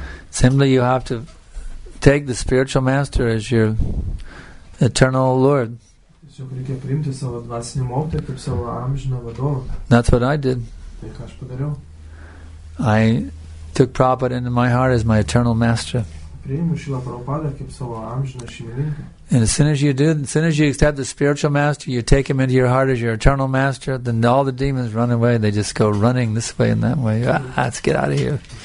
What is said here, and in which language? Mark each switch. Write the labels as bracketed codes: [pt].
[en] Simply you have to take the spiritual master as your eternal Lord. [lt] Tiesiog reikia priimti savo dvasinį mokytoją kaip savo amžiną vadovą. [en] That's what I did. [lt] Tai ką aš padariau. [en] I took Prabhupada into my heart as my eternal master. And as soon as you accept the spiritual master, you take him into your heart as your eternal master, then all the demons run away. They just go running this way and that way. Ah, let's get out of here.